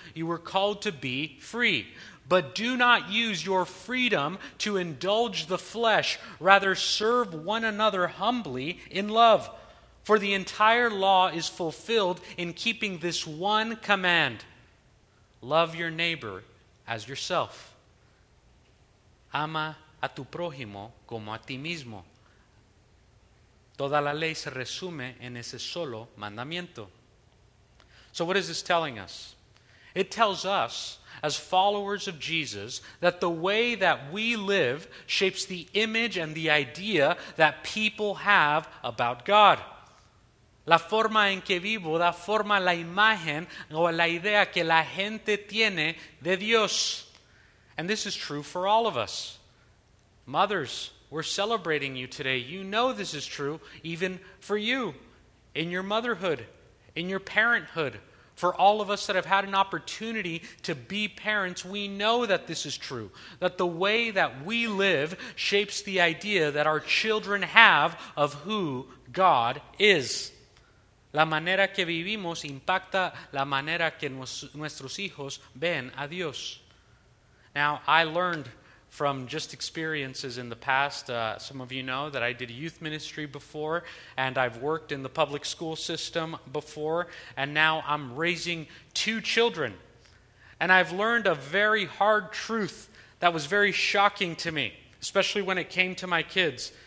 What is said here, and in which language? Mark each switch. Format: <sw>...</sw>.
<en>You were called to be free. But do not use your freedom to indulge the flesh. Rather, serve one another humbly in love. For the entire law is fulfilled in keeping this one command. Love your neighbor as yourself.</en> <es>Ama a tu prójimo como a ti mismo. Toda la ley se resume en ese solo mandamiento.</es> <en>So what is this telling us? It tells us, as followers of Jesus, that the way that we live shapes the image and the idea that people have about God.</en> <es>La forma en que vivo da forma la imagen o la idea que la gente tiene de Dios.</es> <en>And this is true for all of us. Mothers, we're celebrating you today. You know this is true even for you, in your motherhood, in your parenthood. For all of us that have had an opportunity to be parents, we know that this is true, that the way that we live shapes the idea that our children have of who God is.</en> <es>La manera que vivimos impacta la manera que nuestros hijos ven a Dios.</es> <en>Now, I learned from just experiences in the past. Some of you know that I did youth ministry before, and I've worked in the public school system before, and now I'm raising two children. And I've learned a very hard truth that was very shocking to me, especially when it came to my kids.</en>